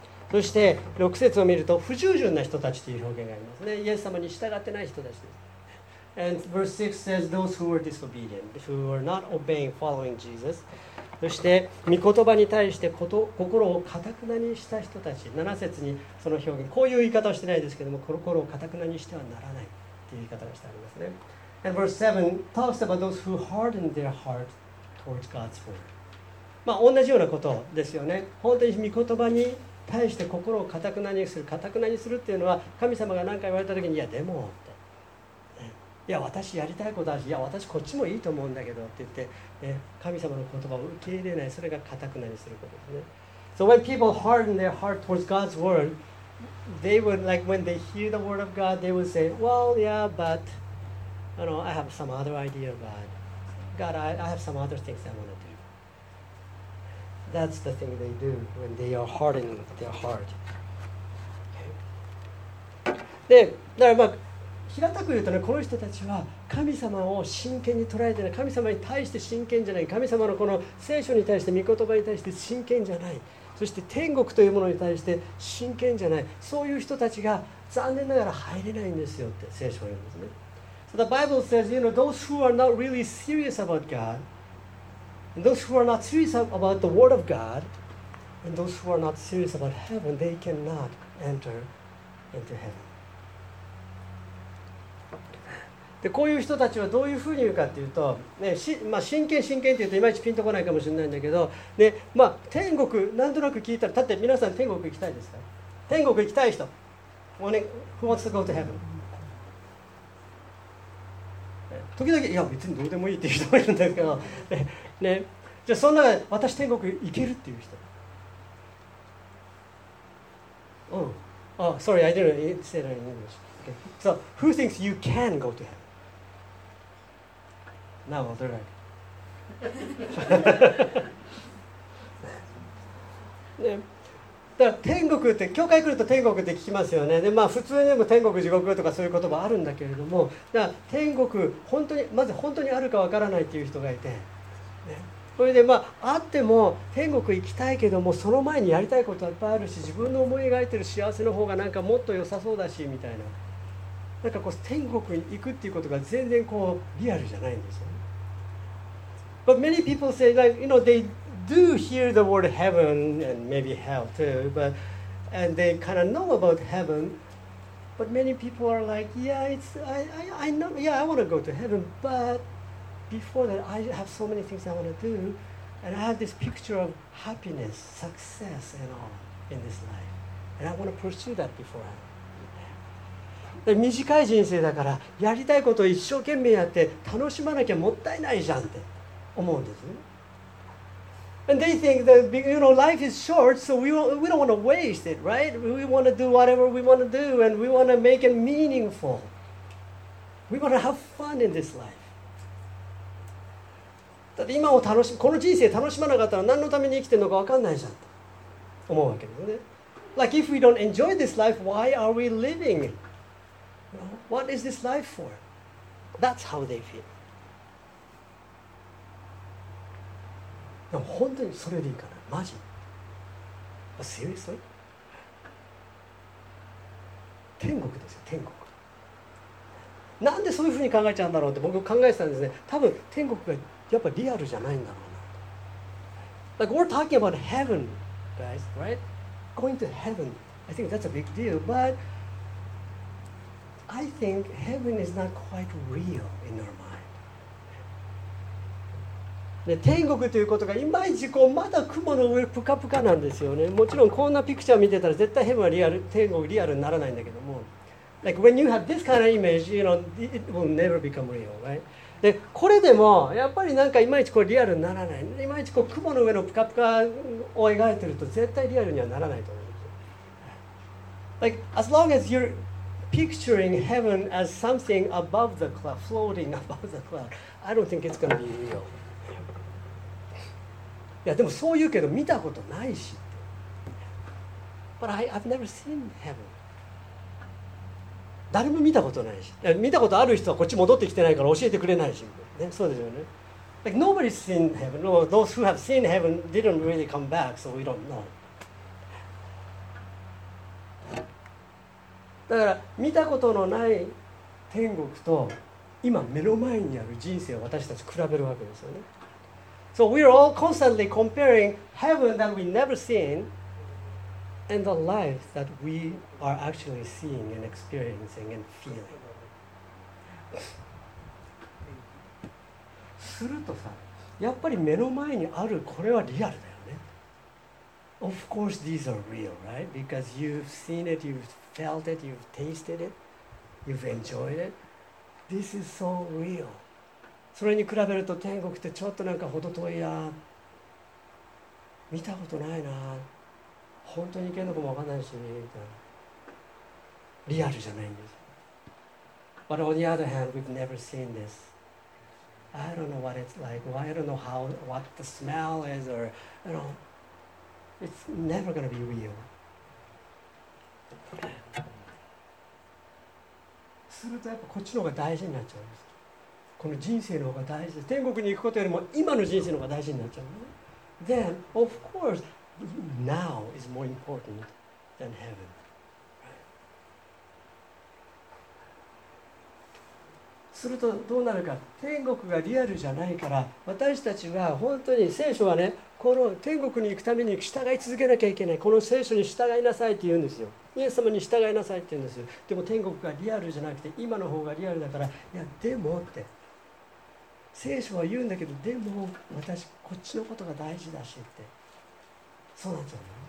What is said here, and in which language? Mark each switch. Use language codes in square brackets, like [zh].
[ja] そして6節を見ると、不従順な人たちという表現がありますね。イエス様に従ってない人たちです。 [en] And verse 6 says, those who were disobedient, who were not obeying, following Jesus. [ja] そして御言葉に対して心を固くなにした人たち、7節にその表現、こういう言い方をしてないですけども、心を固くなにしてはならないという言い方がしてありますね。 [en] And verse 7 talks about those who hardened their heart towards God's word. [ja] まあ同じようなことですよね。本当に御言葉に対して心を固くなにする、固くなにするっていうのは、神様が何か言われた時に、いやでも、いや私やりたいことだし、いや私こっちもいいと思うんだけどって言って、ね、神様の言葉を受け入れない、それが固くなりすることですね。 [en] So when people harden their heart towards God's word, they would, like, when they hear the word of God, they would say, well, yeah, but you know, I have some other idea of God. God, I have some other things I want to do. That's the thing they do when they are hardening their heart. [ja] で、だからまあ平たく言うとね、この人たちは神様を真剣に捉えてない、神様に対して真剣じゃない、神様のこの聖書に対して、御言葉に対して真剣じゃない、そして天国というものに対して真剣じゃない、そういう人たちが残念ながら入れないんですよって聖書は言うんですね。 [en] So the Bible says, you know, those who are not really serious about God, and those who are not serious about the word of God, and those who are not serious about heaven, they cannot enter into heaven. [ja] でこういう人たちはどういうふうに言うかっていうと、ね、まあ、真剣真剣って言うといまいちピンとこないかもしれないんだけど、ね、まあ、天国なんとなく聞いたら、だって皆さん天国行きたいですか？天国行きたい人、ね、 [en] Who wants to go to heaven? [ja] 時々、いや別にどうでもいいっていう人もいるんですけど、ね、じゃあそんな私天国行けるっていう人、 [en] Oh, sorry, I didn't say that in English. Okay. So, who thinks you can go to heaven? Now, I'll do that. [ja] ね、だ天国って教会来ると天国って聞きますよね。で、まあ、普通にも天国地獄とかそういう言葉あるんだけれども、だ天国本当にまず本当にあるかわからないっていう人がいて、ね、それで、まあ、あっても天国行きたいけどもその前にやりたいことはいっぱいあるし、自分の思い描いてる幸せの方がなんかもっと良さそうだしみたいな、なんかこう天国に行くっていうことが全然こうリアルじゃないんですよ。 [en] But many people say that, you know, they do hear the word heaven and maybe hell too, but, and they kind of know about heaven, but many people are like, yeah, it's, I know, yeah, I want to go to heaven, but before that, I have so many things I want to do, and I have this picture of happiness, success, and all in this life, and I want to pursue that beforehand. [ja] で短い人生だからやりたいことを一生懸命やって楽しまなきゃもったいないじゃんって思うんです。 [en] And they think that, you know, life is short, so we don't want to waste it, right? We want to do whatever we want to do, and we want to make it meaningful. We want to have fun in this life. [ja] だって今を楽しこの人生楽しまなかったら何のために生きてるのか分かんないじゃんって思うわけですね。 [en] Like if we don't enjoy this life, why are we living? What is this life for? That's how they feel. [ja] でも本当にそれでいいかな？マジ？ [en] Seriously? [ja] 天国ですよ、天国。なんでそういうふうに考えちゃうんだろうって僕考えてたんですね。多分天国がやっぱリアルじゃないんだろうな。 [en] Like we're talking about heaven, guys, right? Going to heaven. I think that's a big deal, butI think heaven is not quite real in your mind. [ja] で、天国ということがいまいちこうまだ雲の上プカプカなんですよね。もちろんこんなピクチャー見てたら絶対ヘブンはリアル、天国リアルにならないんだけども。 [en] Like when you have this kind of image, you know, it will never become real, right? [ja] で、これでもやっぱりなんかいまいちこうリアルにならない。いまいちこう雲の上のプカプカを描いてると絶対リアルにはならないと思うんですよ。 [en] Like as long as you'rePicturing heaven as something above the cloud, floating above the cloud. I don't think it's going to be real. [ja] いやでもそう言うけど見たことないし。 [en] But I've never seen heaven. [ja] 誰も見たことないし。見たことある人はこっち戻ってきてないから教えてくれないし。ね、そうですよね。 [en] Like nobody's seen heaven. No, those who have seen heaven didn't really come back, so we don't know. [ja] だから見たことのない天国と今目の前にある人生を私たち比べるわけですよね。 [en] So we're all constantly comparing heaven that we never seen and the life that we are actually seeing and experiencing and feeling. [ja] するとさ、やっぱり目の前にあるこれはリアルだよね。 [en] Of course these are real, right? Because you've seen it, you've felt it, you've tasted it, you've enjoyed it. This is so real. [ja] それに比べると天国ってちょっとなんかほど遠いな。見たことないな。本当に行けるのかもわかんないしみたいな。リアルじゃないんです。 [en] But on the other hand, we've never seen this. I don't know what it's like. I don't know how, what the smell is or, you know, it's never going to be real. [ja] するとやっぱこっちの方が大事になっちゃうんです。この人生の方が大事、天国に行くことよりも今の人生の方が大事になっちゃうんです。 [en] Then of course now is more important than heaven、right? [ja] するとどうなるか、天国がリアルじゃないから私たちは本当に聖書はね、この天国に行くために従い続けなきゃいけない、この聖書に従いなさいって言うんですよ。イエス様に従いなさいって言うんですよ。でも天国がリアルじゃなくて今の方がリアルだから、いやでもって聖書は言うんだけど、でも私こっちのことが大事だしって、そうなんですよね。